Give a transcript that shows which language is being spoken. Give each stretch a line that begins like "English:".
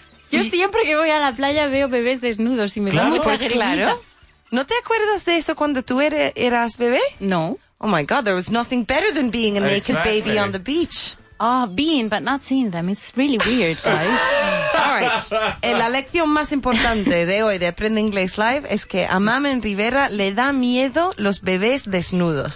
Spanish: Yo siempre que voy a la playa veo bebés desnudos y me da mucha grimita. Claro. ¿No te acuerdas de eso cuando tú eras bebé? No.
English: Oh my God, there was nothing better than being a naked baby on the beach. Oh, being but not seeing them. It's really weird, guys. All right.
Spanish: La lección más importante de hoy de Aprende Inglés Live es que a Mamen Rivera le da miedo los bebés desnudos.